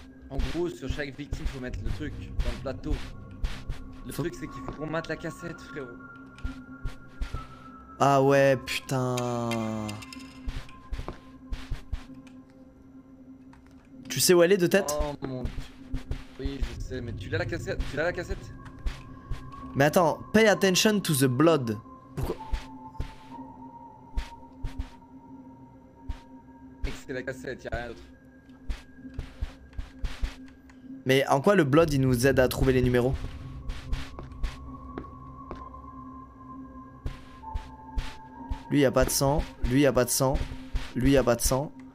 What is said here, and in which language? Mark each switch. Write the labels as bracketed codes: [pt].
[fr] En gros, sur chaque victime, faut mettre le truc dans le plateau. Le truc, c'est qu'il faut qu'on mate la cassette, frérot. Ah ouais, putain. Tu sais où elle est de tête? Oh mon dieu. Oui, je sais, mais tu l'as la cassette? Tu l'as la cassette? Mais attends, [en] pay attention to the blood. [fr] Pourquoi? C'est la cassette, y'a rien d'autre. Mais en quoi le blood il nous aide à trouver les numéros? Lui il y a pas de sang, lui il y a pas de sang, lui il y a pas de sang.